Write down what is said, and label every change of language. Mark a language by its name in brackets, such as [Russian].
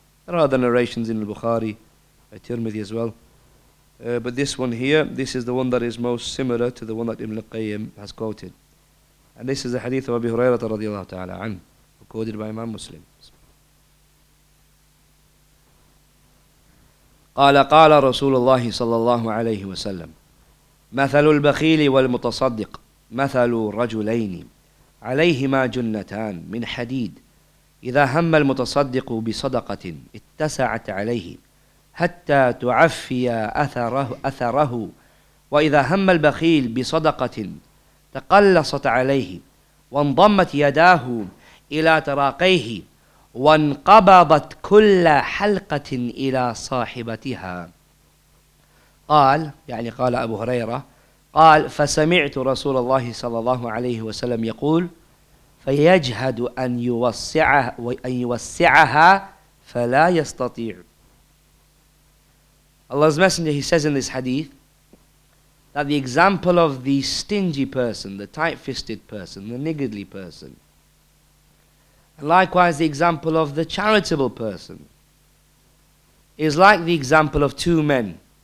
[English] There are other narrations in al-Bukhari, Tirmidhi as well. But this one here, this is the one that is most similar to the one that Ibn al-Qayyim has quoted. And this is the hadith of Abi Hurairah radiallahu ta'ala anhu, quoted by Imam Muslim. [Arabic] قال رسول الله صلى الله عليه وسلم مثل البخيل والمتصدق مثل رجلين عليهما جنتان من حديد إذا هم المتصدق بصدقة اتسعت عليه حتى تعفي أثره وإذا هم البخيل بصدقة تقلصت عليه وانضمت يداه إلى تراقيه وانقبضت كل حلقة إلى صاحبتها قال يعني قال أبو هريرة قال فسمعت رسول الله صلى الله عليه وسلم يقول فيجهد أن يوسعها وأن يوسعها فلا يستطيع. [English] Allah's Messenger, he says in this hadith that the example of the stingy person, the tight-fisted person, the niggardly person, and likewise the example of the charitable person is like the example of two men.